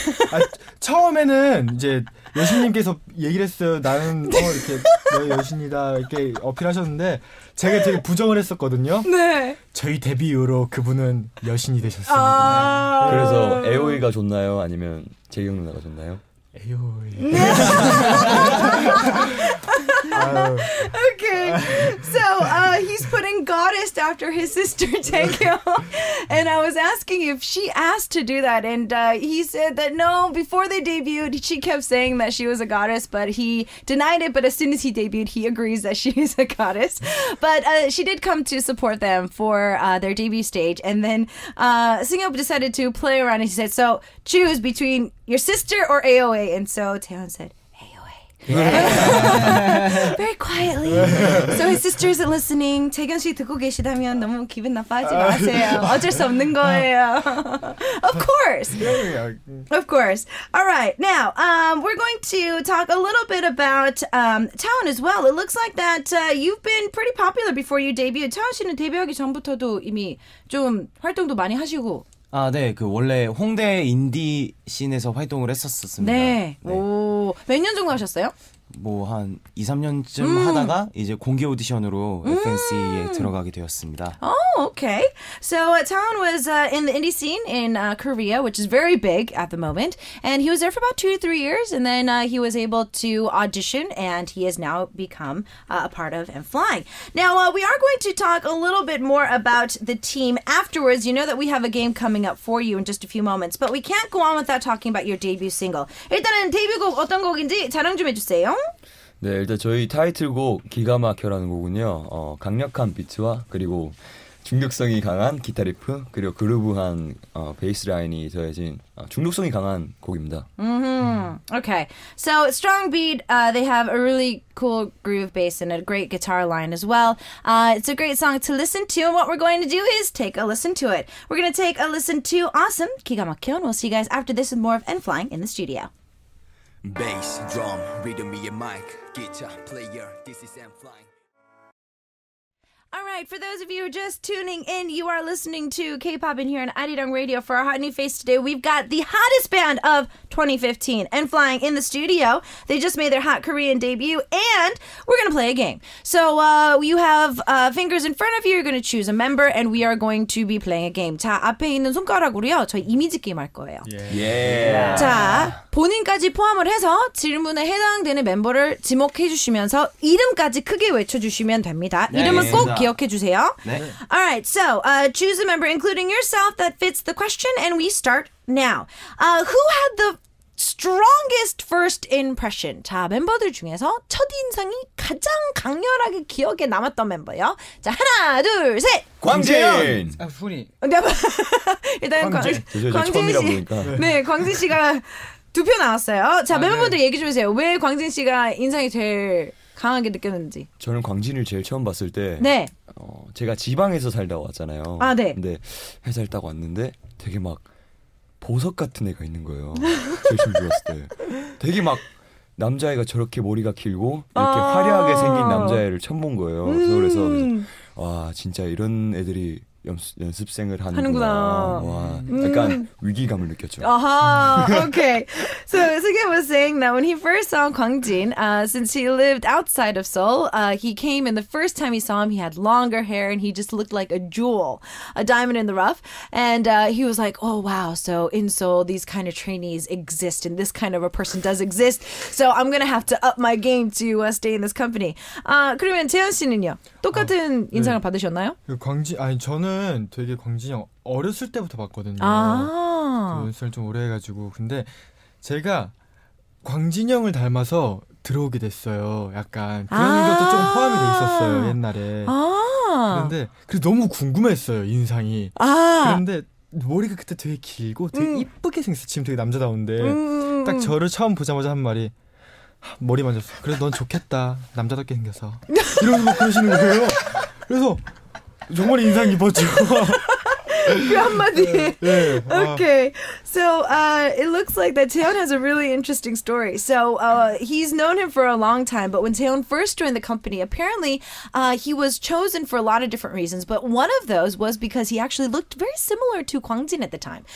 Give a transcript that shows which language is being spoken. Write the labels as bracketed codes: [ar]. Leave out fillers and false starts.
[ko] 아, 처음에는 이제 여신님께서 얘기를 했어요. 나는 이렇게 너 여신이다 이렇게 어필하셨는데 제가 되게 부정을 했었거든요. 네. 저희 데뷔 이후로 그분은 여신이 되셨습니다. 아~ 그래서 AOA가 좋나요? 아니면 재경 누나가 좋나요? AOA. [en] Okay, so he's putting goddess after his sister Taekyo, and I was asking if she asked to do that, and he said that no, before they debuted, she kept saying that she was a goddess, but he denied it, but as soon as he debuted, he agrees that she is a goddess, but she did come to support them for their debut stage, and then Seung-yeop decided to play around, and he said, so choose between your sister or AOA, and so Taehyun said, Yeah. Very quietly. So his sister isn't listening. [ko] 재경 씨 듣고 계시다면 너무 기분 나빠하지 마세요. 어쩔 수 없는 거예요. [en] Of course. Of course. All right. Now, we're going to talk a little bit about Taehyun as well. It looks like that you've been pretty popular before you debuted. [ko] 태훈 씨는 데뷔하기 전부터도 이미 좀 활동도 많이 하시고. 아, 네. 그 원래 홍대 인디 씬에서 활동을 했었습니다. 네. 네. 오, 몇 년 정도 하셨어요? 뭐 한 2, 3년쯤 하다가 이제 공개 오디션으로 FNC에 들어가게 되었습니다. [en] Oh, okay. So Taehyun was in the indie scene in Korea, which is very big at the moment. And he was there for about 2 to 3 years. And then he was able to audition and he has now become a part of N.Flying. Now, we are going to talk a little bit more about the team afterwards. You know that we have a game coming up for you in just a few moments. But we can't go on without talking about your debut single. [ko] 일단은 데뷔곡 어떤 곡인지 자랑 좀 해주세요. 네, 일단 저희 타이틀곡 기가 막혀라는 곡은요. 강력한 비트와 그리고 중력성이 강한 기타 리프 그리고 그루브한 베이스 라인이 더해진 중력성이 강한 곡입니다. [en] Okay. So, strong beat. They have a really cool groove bass and a great guitar line as well. It's a great song to listen to. And what we're going to do is take a listen to it. We're going to take a listen to Awesome 기가 막혀. And we'll see you guys after this with more of N.Flying in the studio. Bass, drum, rhythm, me a mic, guitar, player, this is N.Flying. Alright, for those of you who are just tuning in, you are listening to K-Poppin here on Arirang Radio. For our hot new face today, we've got the hottest band of 2015, N.Flying in the studio. They just made their hot Korean debut, and we're going to play a game. So you have fingers in front of you, you're going to choose a member, and we are going to be playing a game. [ko] 자, 앞에 있는 손가락으로요, 저희 이미지 게임 할 거예요. [en] Yeah. Yeah. [ko] 자, 본인까지 포함을 해서 질문에 해당되는 멤버를 지목해 주시면서 이름까지 크게 외쳐주시면 됩니다. 이름은 꼭 기억해 주세요. 네. [en] All right, so choose a member, including yourself, that fits the question, and we start now. Who had the strongest first impression. [ko] 자, 멤버들 중에서 첫 인상이 가장 강렬하게 기억에 남았던 멤버요. 자, 하나, 둘, 셋. 광진. 아, 훈이. 일단 광진 씨. 네, 광진 씨가 두 표 나왔어요. 자, 멤버분들 얘기 좀 해주세요. 왜 광진 씨가 인상이 제일 강하게 느꼈는지. 저는 광진을 제일 처음 봤을 때. 네. 제가 지방에서 살다 왔잖아요. 아, 네. 근데 회사를 딱 왔는데 되게 막 보석 같은 애가 있는 거예요. 제일 좋았을 때. 되게 막 남자애가 저렇게 머리가 길고 이렇게 화려하게 생긴 남자애를 처음 본 거예요. 서울에서. 그래서 와, 진짜 이런 애들이 연습생을 하는구나. 와, 약간 위기감을 느꼈죠. 아하, okay. [en] So, Sugi was saying that when he first saw Gwangjin, since he lived outside of Seoul, he came and the first time he saw him, he had longer hair and he just looked like a jewel, a diamond in the rough. And he was like, oh wow, so in Seoul, these kind of trainees exist and this kind of a person does exist. So, I'm going to have to up my game to stay in this company. [ko] 그러면 재현 씨는요? 똑같은 인상을 네. 받으셨나요? 광진, 아니 저는 되게 광진이 형 어렸을 때부터 봤거든요. 아~ 그 연습을 좀 오래 해가지고. 근데 제가 광진이 형을 닮아서 들어오게 됐어요. 약간 그런 것도 좀 포함이 돼 있었어요, 옛날에. 아~ 그런데 그래서 너무 궁금했어요, 인상이. 아~ 그런데 머리가 그때 되게 길고 되게 이쁘게 생겼어. 지금 되게 남자다운데 딱 저를 처음 보자마자 한 말이 머리 만졌어. 그래서 넌 좋겠다. 남자답게 생겨서. 이런 거 그러시는 거예요. 그래서 정말 인상 깊었죠. 그 한마디. 네. 네. [en] Okay. So it looks like that Taehyun has a really interesting story. So he's known him for a long time, but when Taehyun first joined the company, apparently he was chosen for a lot of different reasons. But one of those was because he actually looked very similar to Gwangjin at the time.